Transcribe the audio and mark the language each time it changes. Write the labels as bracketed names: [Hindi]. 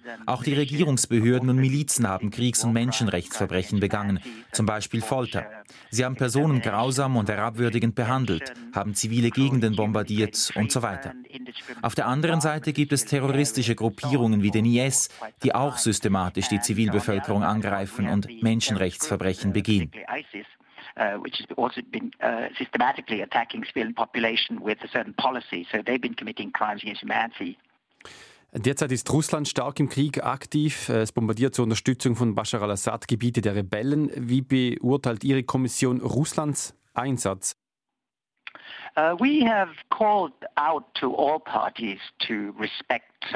[German] Auch die Regierungsbehörden und Milizen haben Kriegs- und Menschenrechtsverbrechen begangen, zum Beispiel Folter. Sie haben Personen grausam und herabwürdigend behandelt, haben zivile Gegenden bombardiert und so weiter. Auf der anderen Seite gibt es terroristische Gruppierungen wie den IS, die auch systematisch die Zivilbevölkerung angreifen und Menschenrechtsverbrechen begehen. [English] Which has also been systematically attacking civilian population with a certain policy. So they've been committing crimes against humanity. [German] Derzeit ist Russland stark im Krieg aktiv. Es bombardiert zur Unterstützung von Bashar al-Assad Gebiete der Rebellen. Wie beurteilt Ihre Kommission Russlands Einsatz? [English] We have called out to all parties to respect